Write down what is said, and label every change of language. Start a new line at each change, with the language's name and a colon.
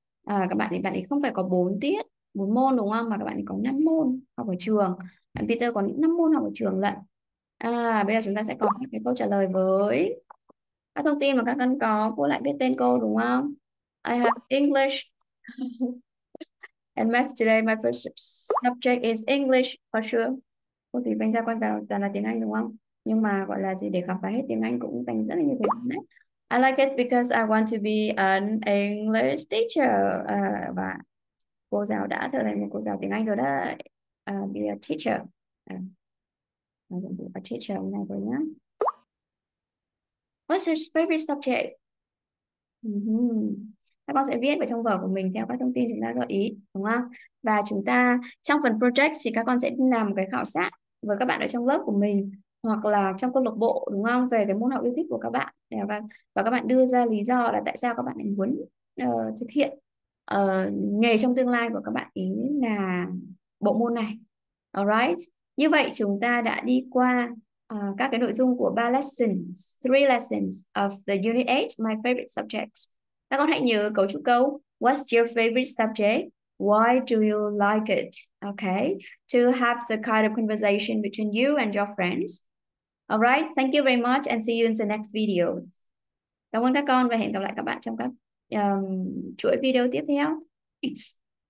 Vietnamese: À, các bạn ấy không phải có 4 tiết, 4 môn đúng không? Mà các bạn ấy có 5 môn học ở trường. Bạn Peter có 5 môn học ở trường lận. À, bây giờ chúng ta sẽ có cái câu trả lời với các thông tin mà các con có. Cô lại biết tên cô đúng không?
English: I have English. And math today, my first subject is English, for sure.
Vietnamese: Cô thì bên ra quan vào toàn là tiếng Anh đúng không? Nhưng mà gọi là gì để khám phá hết tiếng Anh cũng dành rất là nhiều thời gian đấy.
English: I like it because I want to be an English teacher.
Vietnamese: Và cô giáo đã trở thành một cô giáo tiếng Anh rồi đấy.
English: Be a teacher. A teacher
Vietnamese: này rồi nhá.
English: What's your favorite subject?
Vietnamese: Các con sẽ viết vào trong vở của mình theo các thông tin chúng ta gợi ý, đúng không? Và chúng ta trong phần project thì các con sẽ làm một cái khảo sát với các bạn ở trong lớp của mình hoặc là trong câu lạc bộ đúng không, về cái môn học yêu thích của các bạn để và các bạn đưa ra lý do là tại sao các bạn muốn thực hiện nghề trong tương lai của các bạn ý là bộ môn này. Alright, như vậy chúng ta đã đi qua các cái nội dung của ba lessons,
English: three lessons of the unit 8, my favorite subjects.
Vietnamese: Các con hãy nhớ cấu trúc câu
English: What's your favorite subject? Why do you like it? Okay. To have the kind of conversation between you and your friends. All right. Thank you very much and see you in the next videos.
Vietnamese: Cảm ơn các con và hẹn gặp lại các bạn trong các chuỗi video tiếp theo. Thanks.